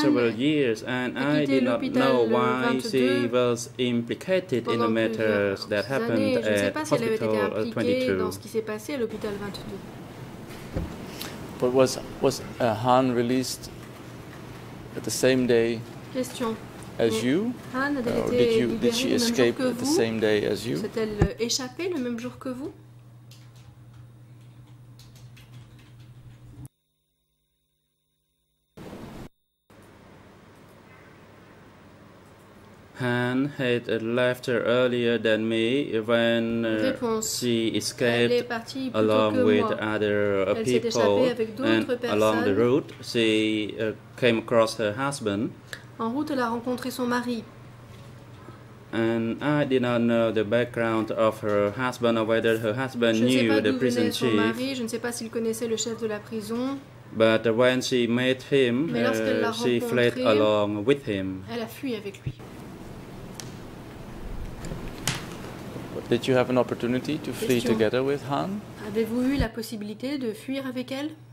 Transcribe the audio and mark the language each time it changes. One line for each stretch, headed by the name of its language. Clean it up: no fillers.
English: several years and I did not know why she was implicated in the matters that happened at hospital 22.
French: Dans ce qui s'est passé à l'hôpital 22.
English: But was Han released at the same day?
French: Question.
English: As you? Han did she escape the same day as you?
French: S'est-elle échappée le même jour que vous?
English: Han had left earlier than me when she escaped along with other people and along the route she came across her husband.
French: En route, elle a rencontré son mari.
English: And I did not know the background of her husband or whether her husband knew the prison chief.
French: Je ne sais pas d'où venait son mari. Je ne sais pas s'il connaissait le chef de la prison.
English: But when she met him, she fled along with him.
French: Elle a fui avec lui.
English: Did you have an opportunity to flee together with Han?
French: Avez-vous eu la possibilité de fuir avec elle?